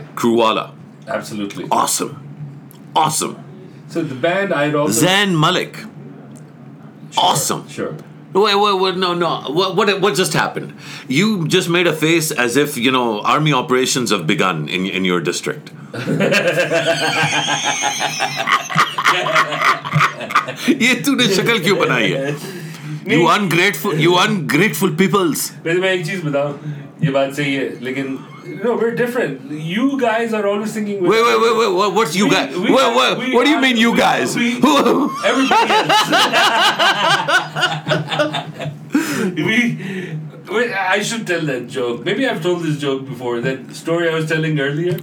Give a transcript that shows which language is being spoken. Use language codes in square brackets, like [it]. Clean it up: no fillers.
[en] Yeah. Kruwala. Absolutely. Awesome. Awesome. So the band I'd also... Zain Malik. Sure, awesome. Sure. Wait, no. What just happened? You just made a face as if, you know, army operations have begun in your district. [hi] ये तूने शकल क्यों बनाई है? [en] You ungrateful peoples. [hi] वैसे मैं एक चीज बताऊं, ये बात सही है, लेकिन [en] No, we're different. You guys are always singing with... Wait, what's you guys? What do you mean you guys? Everybody else. I should tell that joke. Maybe I've told this joke before. That story I was telling earlier.